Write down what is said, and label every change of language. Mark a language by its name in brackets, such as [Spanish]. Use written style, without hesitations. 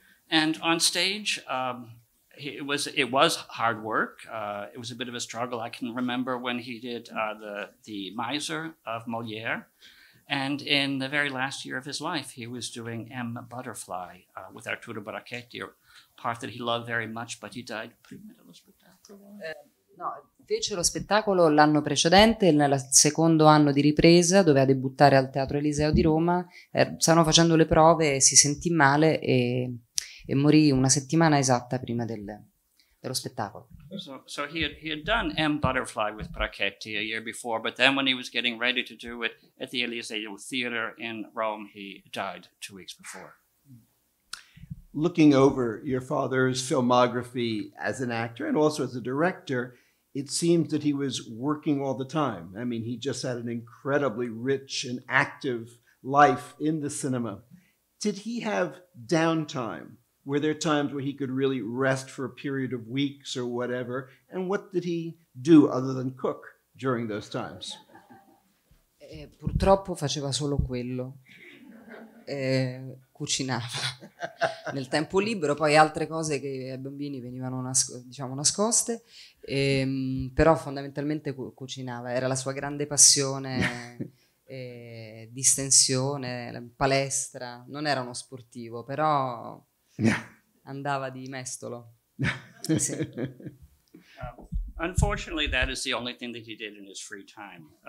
[English] And on stage, it was hard work. It was a bit of a struggle. I can remember when he did the Miser of Molière. And in the very last year of his life, he was doing M. Butterfly with Arturo Brachetti, a part that he loved very much, but he died [Italian] prima dello spettacolo. Fece lo spettacolo l'anno precedente, nel secondo anno di ripresa, doveva debuttare al Teatro Eliseo di Roma, stavano facendo le prove, si sentì male e morì una settimana esatta prima dello spettacolo. [English] So he had done M. Butterfly with Brachetti a year before, but then when he was getting ready to do it at the Eliseo Theater in Rome, he died 2 weeks before. Looking over your father's filmography as an actor and also as a director, it seems that he was working all the time. I mean, he just had an incredibly rich and active life in the cinema. Did he have downtime? Were there times where he could really rest for a period of weeks or whatever? And what did he do other than cook during those times? [Italian] Purtroppo faceva solo quello. Cucinava nel tempo libero, poi altre cose che ai bambini venivano nascoste, però fondamentalmente cucinava, era la sua grande passione distensione, palestra, non era uno sportivo, però andava di mestolo. Sì. [English] Unfortunately, that is the only thing that he did in his free time.